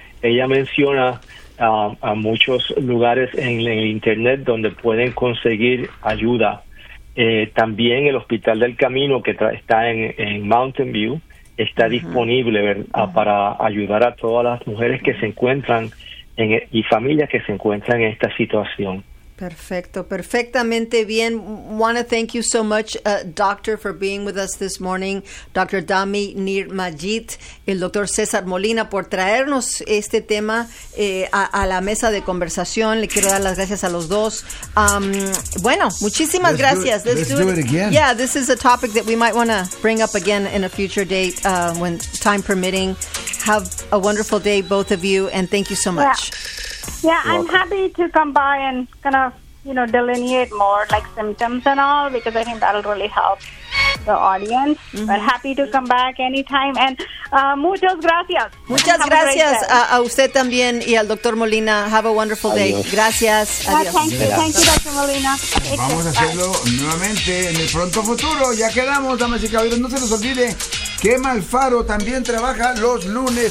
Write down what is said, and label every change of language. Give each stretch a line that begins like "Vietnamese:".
Spanish: Ella menciona a muchos lugares en el internet donde pueden conseguir ayuda. También el Hospital del Camino, que está en Mountain View, está disponible para ayudar a todas las mujeres que se encuentran y familias que se encuentran en esta situación. Perfecto, perfectamente bien.
English: Want to thank you so much, doctor, for being with us this morning. Dr.
Spanish: Dami Nir Majid, el doctor César Molina, por traernos este tema a la mesa de conversación. Le quiero dar las gracias a los dos. Bueno, muchísimas
English: let's
Spanish: gracias.
English: Do it, let's do it again. Yeah, this is a topic that we might want to bring up again in a future date, when time permitting. Have a wonderful day, both of you, and thank you so much. Yeah. Yeah, you're I'm welcome. Happy to come by and kind of, you know, delineate more, like symptoms and all, because I think that'll really help the audience. Mm-hmm. But happy to come back anytime. And
Spanish: muchas gracias. Muchas gracias a usted también y al doctor Molina.
English: Have a wonderful
Spanish: adiós.
English: Day.
Spanish: Gracias. Adiós.
English: Thank you, Dr. Molina.
Spanish: Vamos a hacerlo nuevamente en el pronto futuro. Ya quedamos, damas y caballeros. No se nos olvide. Gema Alfaro también trabaja los lunes.